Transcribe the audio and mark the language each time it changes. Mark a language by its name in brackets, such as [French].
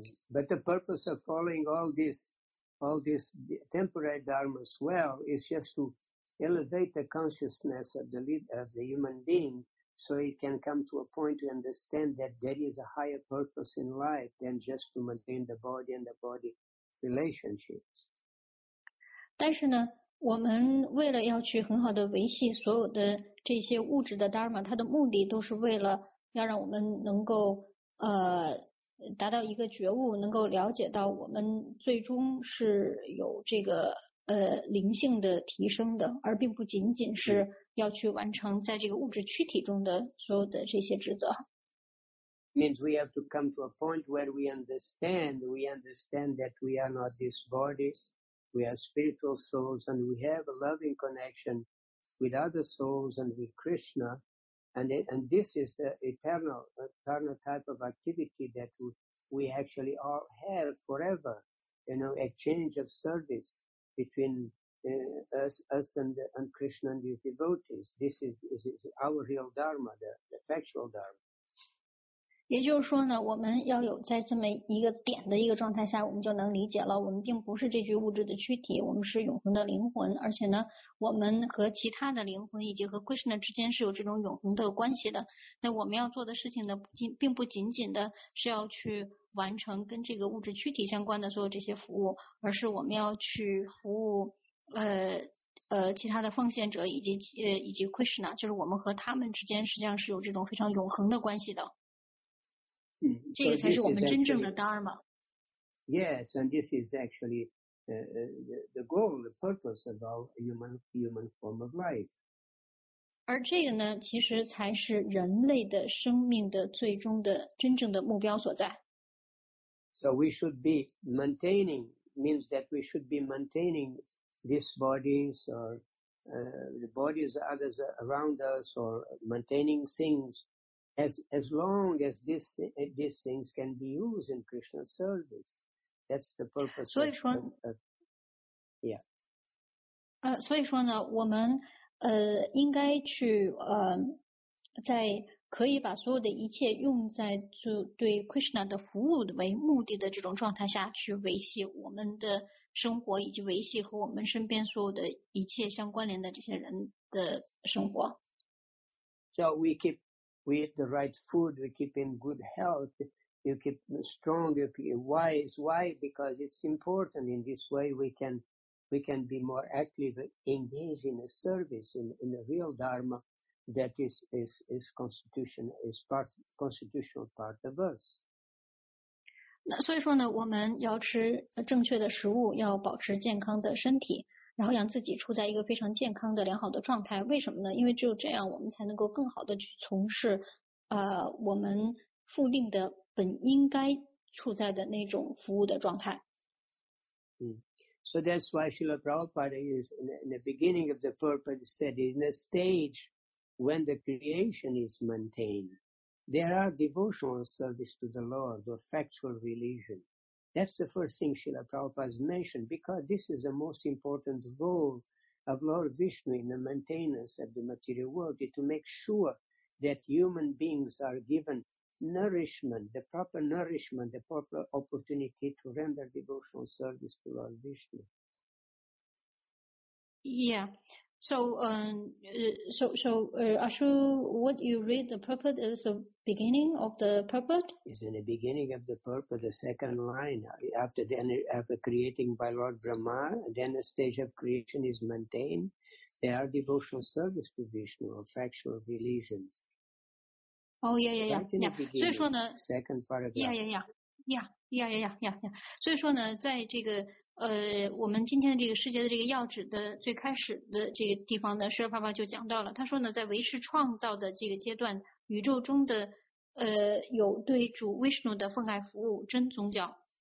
[English] But the purpose of following all this temporary dharmas well is just to elevate the consciousness of the human being, so he can come to a point to understand that there is a higher purpose in life than just to maintain the body and the body relationships. [Chinese] 但是呢，我们为了要去很好的维系所有的这些物质的 dharma, 它的目的都是为了要让我们能够达到一个觉悟，能够了解到我们最终是有这个灵性的提升的，而并不仅仅是要去完成在这个物质躯体中的所有的这些职责。 [English] Means we have to come to a point where we understand that we are not these bodies, we are spiritual souls, and we have a loving connection with other souls and with Krishna. And this is the eternal type of activity that we actually all have forever, you know, exchange of service between us and Krishna and his devotees. This is our real dharma, the factual dharma. [Chinese] 也就是说呢，我们要有在这么一个点的一个状态下，我们就能理解了，我们并不是这具物质的躯体，我们是永恒的灵魂，而且呢我们和其他的灵魂以及和 Krishna 之间是有这种永恒的关系的。那我们要做的事情呢，并不仅仅的是要去完成跟这个物质躯体相关的所有这些服务，而是我们要去服务其他的奉献者以及 Krishna, 就是我们和他们之间实际上是有这种非常永恒的关系的。这个才是我们真正的 Dharma。 [English] Yes, and this is actually the goal, the purpose of our human form of life. [Chinese] 而这个呢，其实才是人类的生命的最终的真正的目标所在。 [English] So we should be maintaining, means that we should be maintaining these bodies or the bodies of others around us, or maintaining things. As long as these things can be used in Krishna's service, that's the purpose. [Chinese] 所以说 所以说呢，我们应该去在可以把所有的一切用在就对 Krishna 的服务为目的的这种状态下去维系我们的生活以及维系和我们身边所有的一切相关联的这些人的生活。 [English] So we keep, we eat the right food, we keep in good health, you keep strong, you keep wise. Why? Because it's important. In this way we can be more actively engaged in a service, in the real Dharma that is constitutional, is part, constitutional part of us. [Chinese] 那所以说呢，我们要吃正确的食物，要保持健康的身体，然后让自己处在一个非常健康的良好的状态。为什么呢？因为只有这样我们才能够更好的去从事我们附定的本应该处在的那种服务的状态。 [English] So that's why Srila Prabhupada is in the beginning of the purpose said in a stage when the creation is maintained. There are devotional service to the Lord or factual religion. That's the first thing Srila Prabhupada has mentioned, because this is the most important role of Lord Vishnu in the maintenance of the material world, to make sure that human beings are given nourishment, the proper nourishment, the proper opportunity to render devotional service to Lord Vishnu. Yeah. So, Ashu, what you read the purport is the beginning of the purport? It's in the beginning of the purport, the second line. After creating by Lord Brahma, then a stage of creation is maintained. There are devotional service to Vishnu, or factual religion. Oh, yeah. [Chinese] 所以说呢, [English] second paragraph. [Chinese] Yeah. 所以说呢，在这个我们今天的这个世界的这个要旨的最开始的这个地方呢，释迦牟尼佛就讲到了，他说呢，在维持创造的这个阶段，宇宙中的有对主 Vishnu 的奉爱服务真宗教。